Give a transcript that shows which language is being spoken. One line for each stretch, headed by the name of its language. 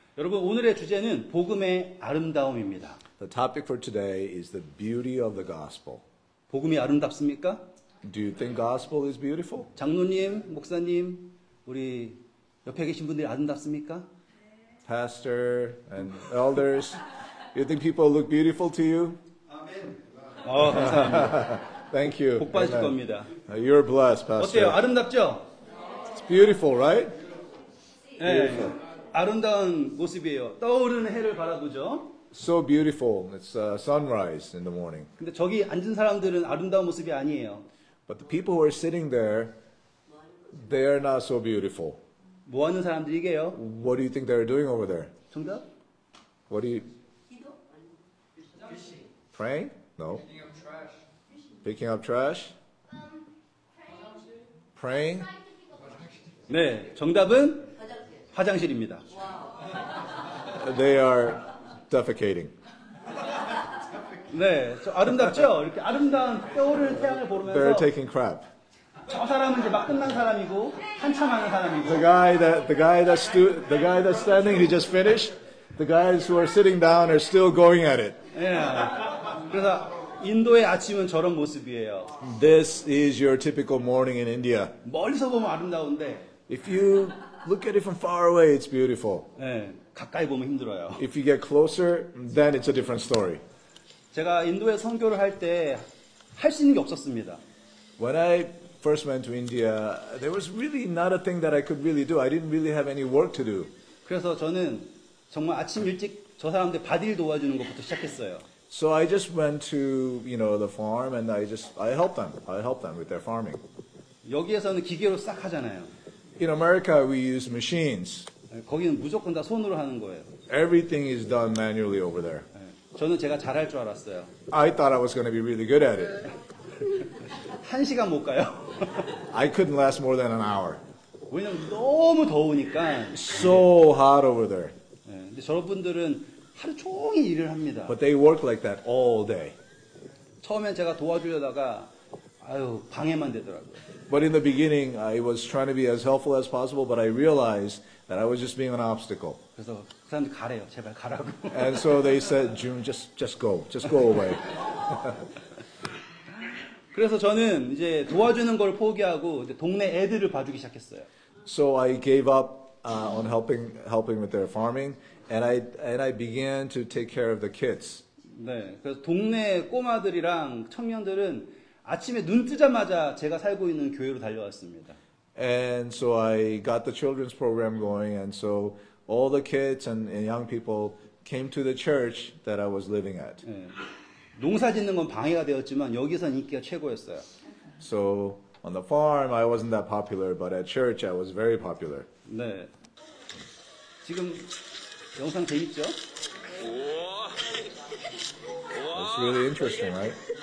Korean: 여러분 오늘의 주제는 복음의 아름다움입니다.
English: The topic for today is the beauty of the gospel.
Korean: 복음이 아름답습니까?
English: Do you think gospel is beautiful?
Korean: 장로님, 목사님, 우리 옆에 계신 분들이 아름답습니까?
English: Pastor and elders, you think people look beautiful to you? Amen.
Korean: 어, 감사합니다.
English: Thank you.
Korean: 복 받으실 Amen. 겁니다.
English: You're blessed, Pastor.
Korean: 어때요? 아름답죠?
English: It's beautiful, right?
Korean: 네.
English: Beautiful.
Korean: 아름다운 모습이에요. 떠오르는 해를 바라보죠.
English: So beautiful. It's a sunrise in the morning.
Korean: 근데 저기 앉은 사람들은 아름다운 모습이 아니에요.
English: But the people who are sitting there, they are not so beautiful.
Korean: 뭐 하는 사람들이게요?
English: What do you think they're doing over there?
Korean: 정답?
English: What do you?
Korean: 기도?
English: Fishing. Praying? No. Picking up trash? Praying?
Korean: 네, 정답은? 화장실입니다.
English: They are defecating.
Korean: 네, 저 아름답죠? 이렇게 아름다운 떠오르는 태양을 보면서
English: They're taking crap.
Korean: 저 사람은 이제 막 끝난 사람이고 한참 하는 사람이고.
English: The guy that's standing, he just finished. The guys who are sitting down are still going at it.
Korean: 네, 그래서 인도의 아침은 저런 모습이에요.
English: This is your typical morning in India.
Korean: 멀리서 보면 아름다운데.
English: If you look at it from far away, it's beautiful.
Korean: 네, 가까이 보면 힘들어요.
English: If you get closer, then it's a different story.
Korean: 제가 인도에 선교를 할 때 할 수 있는 게 없었습니다.
English: When I first went to India, there was really not a thing that I could really do. I didn't really have any work to do.
Korean: 그래서 저는 정말 아침 일찍 저 사람들 밭일 도와주는 것부터 시작했어요.
English: So I just went to, you know, the farm and I helped them. I helped them with their farming.
Korean: 여기에서는 기계로 싹 하잖아요.
English: In America, we use machines.
Korean: 거기는 무조건 다 손으로 하는 거예요.
English: Everything is done manually over there.
Korean: 저는 제가 잘할 줄 알았어요.
English: I thought I was going to be really good at it.
Korean: 한 시간 못 가요.
English: I couldn't last more than an hour.
Korean: 왜냐면 너무 더우니까.
English: So hot over there.
Korean: 근데 저분들은 하루 종일 일을 합니다.
English: But they work like that all day.
Korean: 처음엔 제가 도와주려다가 아유 방해만 되더라고요.
English: But in the beginning, I was trying to be as helpful as possible, but I realized that I was just being an obstacle.
Korean: 그래서 그 사람들 가래요. 제발 가라고.
English: And so they said, June, just go. Just go away.
Korean: 그래서 저는 이제 도와주는 걸 포기하고 이제 동네 애들을 봐주기 시작했어요.
English: So I gave up on helping with their farming, and I began to take care of the kids.
Korean: 네, 그래서 동네 꼬마들이랑 청년들은 아침에 눈 뜨자마자 제가 살고 있는 교회로 달려왔습니다.
English: And so I got the children's program going, and so all the kids and young people came to the church that I was living at.
Korean: 네. 농사 짓는 건 방해가 되었지만 여기선 인기가 최고였어요.
English: So on the farm I wasn't that popular, but at church I was very popular.
Korean: 네. 지금 영상 재밌죠?
English: It's really interesting, right?